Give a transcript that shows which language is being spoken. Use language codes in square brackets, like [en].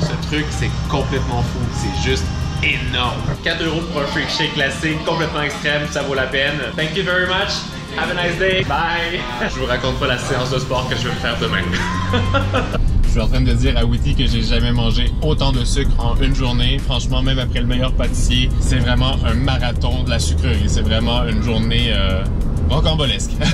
[fr] C'est complètement fou, c'est juste énorme. 4 euros pour un free shake classique, complètement extrême, ça vaut la peine. [en] Thank you very much, have a nice day, bye! [fr] Je vous raconte pas la séance de sport que je vais faire demain. Je suis en train de dire à Witty que j'ai jamais mangé autant de sucre en une journée. Franchement, même après le meilleur pâtissier, c'est vraiment un marathon de la sucrerie. C'est vraiment une journée rocambolesque.